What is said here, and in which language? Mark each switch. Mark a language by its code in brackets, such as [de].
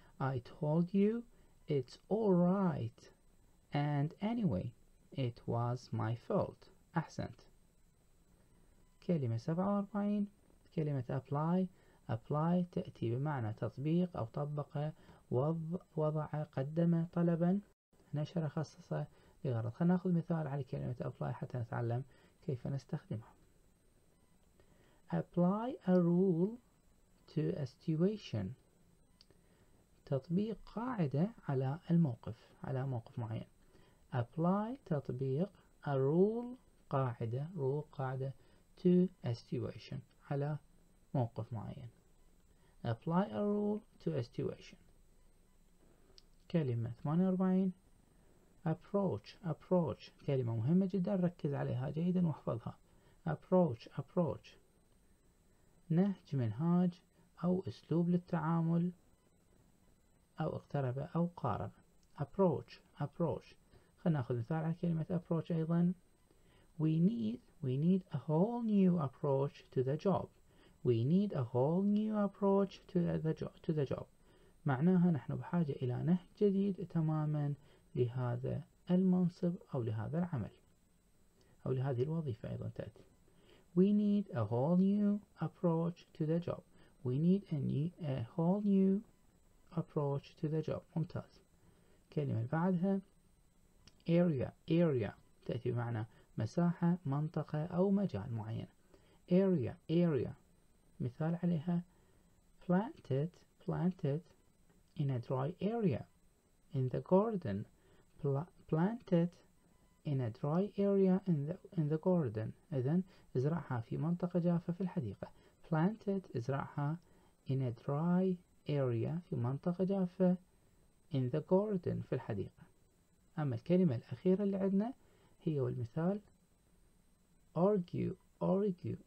[en] I told you it's alright and anyway it was my fault. [ar] أحسنت. كلمة 47 كلمة apply تأتي بمعنى تطبيق أو طبق، وضع، قدم طلبا، نشر، خصص لغرض. خلنا نأخذ مثال على كلمة apply حتى نتعلم كيف نستخدمها. [en] Apply a rule to a situation [ar] تطبيق قاعدة على الموقف، على موقف معين. [en] Apply تطبيق a rule قاعدة، rule قاعدة، to a situation [ar] على موقف معين. [en] apply a rule to a situation. [ar] كلمة 48 [en] approach. [ar] approach كلمة مهمة جدا، ركز عليها جيدا واحفظها. approach approach نهج منهاج أو أسلوب للتعامل أو اقترب أو قارب. approach approach خلنا نأخذ مثال على كلمة approach أيضا. [en] we need a whole new approach to the job. we need a whole new approach to the job [ar] معناها نحن بحاجة إلى نهج جديد تماما لهذا المنصب أو لهذا العمل أو لهذه الوظيفة أيضا تأتي. [en] we need a whole new approach to the job. we need a whole new approach to the job. [ar] ممتاز. كلمة بعدها area تأتي بمعنى مساحة، منطقة أو مجال معين. [en] area [ar] مثال عليها [en] planted in a dry area in the garden. planted in a dry area in the garden. [ar] إذن ازرعها في منطقة جافة في الحديقة. planted ازرعها [en] in a dry area [ar] في منطقة جافة [en] in the garden [ar] في الحديقة. أما الكلمة الأخيرة اللي عندنا هي والمثال argue.